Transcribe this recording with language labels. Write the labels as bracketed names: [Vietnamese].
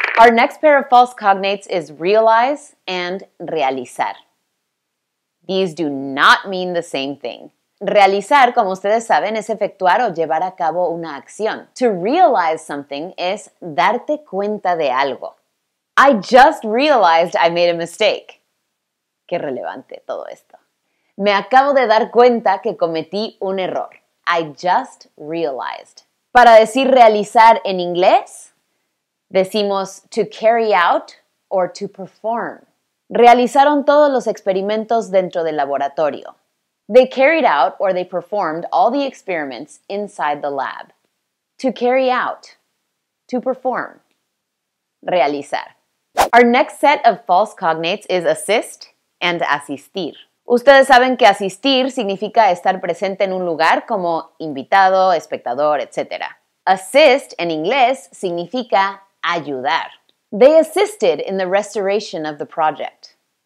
[English] Our next pair of false cognates is realize and realizar. These do not mean the same thing. [Spanish] Realizar, como ustedes saben, es efectuar o llevar a cabo una acción. [English] To realize something [Spanish] es darte cuenta de algo. [English] I just realized I made a mistake. [Spanish] Qué relevante todo esto. Me acabo de dar cuenta que cometí un error. [English] I just realized. [Spanish] Para decir realizar en inglés, decimos [English] to carry out or to perform. [Spanish] Realizaron todos los experimentos dentro del laboratorio. [English] They carried out or they performed all the experiments inside the lab. To carry out, to perform, realizar. Our next set of false cognates is assist and asistir. [Spanish] Ustedes saben que asistir significa estar presente en un lugar como invitado, espectador, etc. Assist en inglés significa ayudar. [English] They assisted in the restoration of the project.